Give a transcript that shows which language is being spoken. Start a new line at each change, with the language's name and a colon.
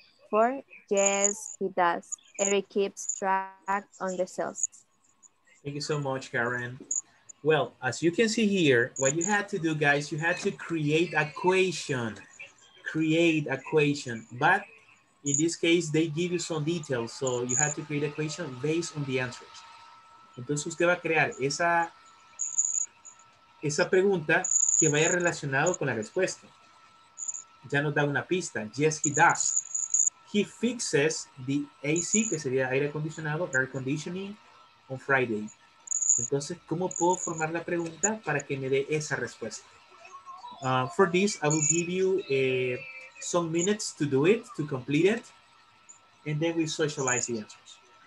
English: Four, yes, he does. Eric keeps track on the sales. Thank you so much, Karen. Well, as you can see here, what you had to do, guys, you had to create a question. Create a question. But in this case, they give you some details. So you had to create a question based on the answers.
Spanish: Entonces, usted va a crear esa pregunta que vaya relacionado con la respuesta. Ya nos da una pista.
English: Yes, he does. He fixes the AC,
Spanish: que sería aire acondicionado,
English: air conditioning, on Friday.
Spanish: Entonces, ¿cómo puedo formar la pregunta para que me dé esa respuesta?
English: For this, I will give you some minutes to do it, to complete it, and then we socialize the answers.